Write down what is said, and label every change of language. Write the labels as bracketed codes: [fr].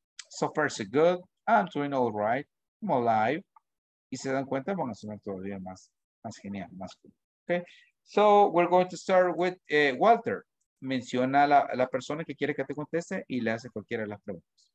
[en] So far so good, I'm doing all right, I'm alive. [es] Y se dan cuenta, van a sonar todavía más genial, más cool. [en] Okay, so we're going to start with Walter. [es] Menciona la persona que quiere que te conteste y le hace cualquiera de las preguntas.